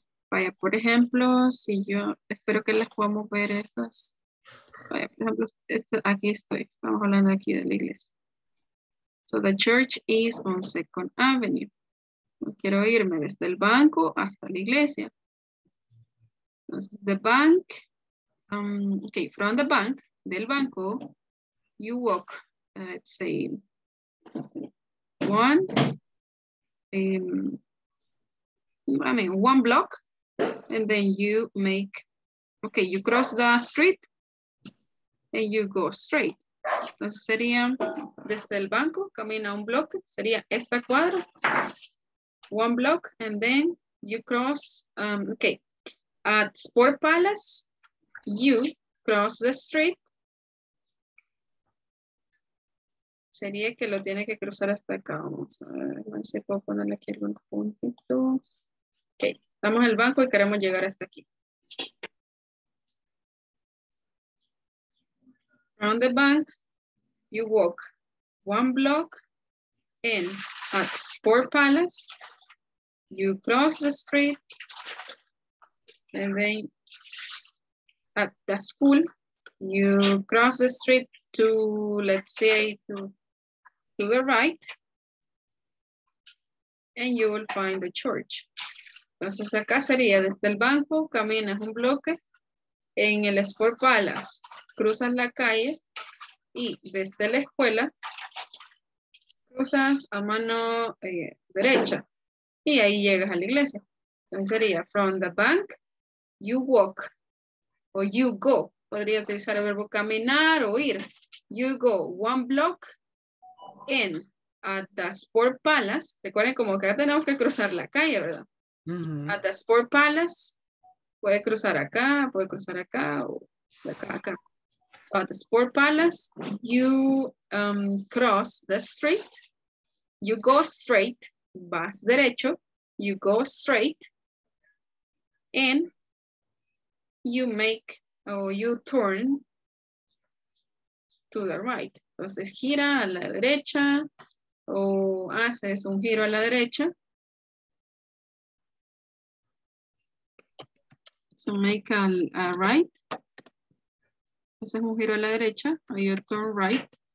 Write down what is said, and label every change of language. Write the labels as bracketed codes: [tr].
[es] Vaya, por ejemplo, si yo, espero que las podamos ver estas. Por ejemplo, aquí estoy. Estamos hablando aquí de la iglesia. [en] So the church is on Second Avenue. [es] Quiero irme desde el banco hasta la iglesia. Entonces, [en] the bank. From the bank, [es] del banco, [en] you walk, let's say, one block, and then you make, you cross the street. And you go straight. [es] Entonces sería desde el banco, camina un bloque, sería esta cuadra, [en] one block, and then you cross, at Sport Palace, you cross the street. [es] Sería que lo tiene que cruzar hasta acá, vamos a ver si puedo ponerle aquí algún puntito. Ok, estamos en el banco y queremos llegar hasta aquí. [en] From the bank, you walk one block in at Sport Palace. You cross the street and then at the school, you cross the street to, let's say, to the right. And you will find the church. [es] Entonces acá sería desde el banco, caminas un bloque, en el Sport Palace, cruzas la calle y desde la escuela cruzas a mano derecha y ahí llegas a la iglesia. Entonces sería [en] from the bank, you walk o you go. [es] Podría utilizar el verbo caminar o ir. [en] You go one block in at the Sport Palace. [es] Recuerden como que ya tenemos que cruzar la calle, ¿verdad? Mm-hmm. [en] At the Sport Palace. [es] Puede cruzar acá, puede cruzar acá o acá, acá. [en] So at the Sport Palace, you cross the street. You go straight, [es] vas derecho. [en] You go straight. And you make, or you turn to the right. [es] Entonces gira a la derecha o haces un giro a la derecha. [en] So make a right. [es] Haces un giro a la derecha, [en] or you turn right.